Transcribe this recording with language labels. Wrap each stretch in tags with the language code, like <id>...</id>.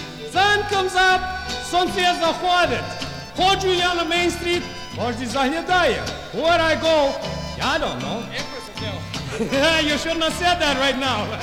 <en>Sun comes up,</en> <uk>сонце заходить. Ходжу я на Main Street, кожен заглядає.</uk> <en>Where I go, I don't know. You shouldn't have said that right now.</en>